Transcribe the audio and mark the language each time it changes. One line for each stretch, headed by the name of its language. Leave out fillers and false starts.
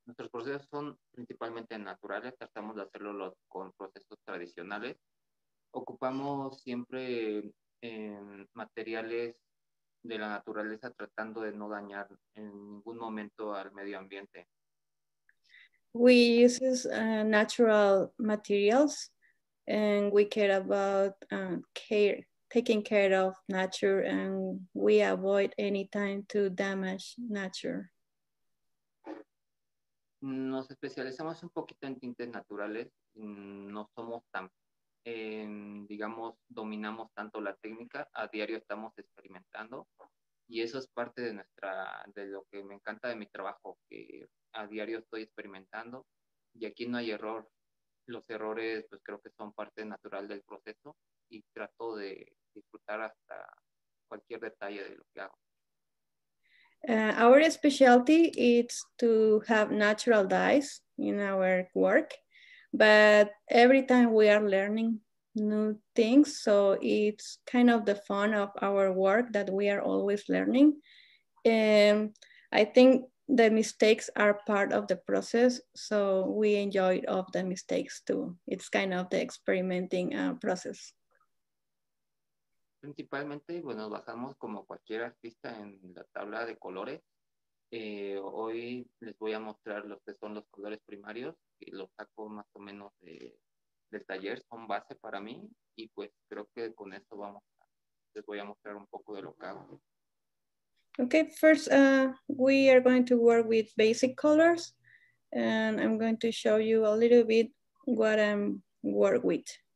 Spanish: procesos son principalmente naturales, tratamos de hacerlo con procesos tradicionales. Ocupamos siempre materiales de la naturaleza tratando de no dañar en ningún momento al medio ambiente.
English: We use natural materials and we care about care, taking care of nature, and we avoid any time to damage nature.
Spanish: Nos especializamos un poquito en tintes naturales. No somos tan, digamos, dominamos tanto la técnica. A diario estamos experimentando. Y eso es parte de nuestra, de lo que me encanta de mi trabajo, que a diario estoy experimentando. Y aquí no hay error. Los errores, pues creo que son parte natural del proceso. Y trato de disfrutar hasta cualquier detalle de lo que hago.
English: Our specialty is to have natural dyes in our work, but every time we are learning new things, so it's kind of the fun of our work that we are always learning. And I think the mistakes are part of the process, so we enjoy of the mistakes too. It's kind of the experimenting process.
Spanish: Principalmente, bueno, nos basamos como cualquier artista en la tabla de colores. Hoy les voy a mostrar los que son los colores primarios, que los saco más o menos del taller, son base para mí, y pues creo que con esto les voy a mostrar un poco de lo que hago.
English: Okay, first we are going to work with basic colors, and I'm going to show you a little bit what I'm work with.